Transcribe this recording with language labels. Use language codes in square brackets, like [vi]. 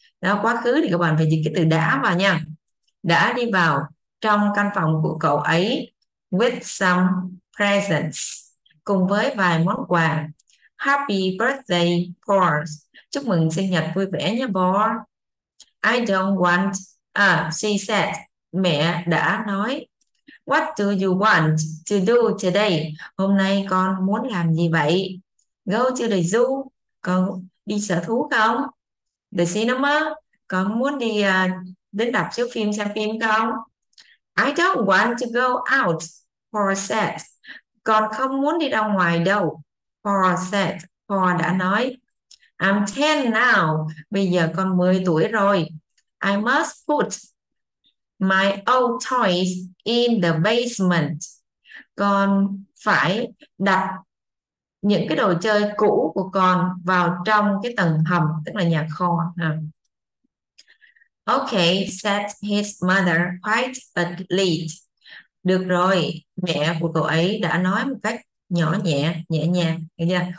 [vi] Đó, quá khứ thì các bạn phải dịch cái từ đã vào nha. Đã đi vào trong căn phòng của cậu ấy [en] with some presents, [vi] cùng với vài món quà. [en] Happy birthday, [vi] Paul. Chúc mừng sinh nhật vui vẻ nhé, Paul. [en] I don't want, she said, [vi] mẹ đã nói. [en] What do you want to do today? [vi] Hôm nay con muốn làm gì vậy? [en] Go to the zoo. [vi] Con đi sở thú không? [en] The cinema. [vi] Con muốn đi đến rạp chiếu phim xem phim không? [en] I don't want to go out, Paul said. [vi] Con không muốn đi ra ngoài đâu, [en] Paul said. [vi] Paul đã nói. [en] I'm 10 now. [vi] Bây giờ con 10 tuổi rồi. [en] I must put my old toys in the basement. [vi] Con phải đặt những cái đồ chơi cũ của con vào trong cái tầng hầm, tức là nhà kho. [en] Okay, said his mother quietly. [vi] Được rồi, mẹ của cậu ấy đã nói một cách nhỏ nhẹ, nhẹ nhàng. Yeah.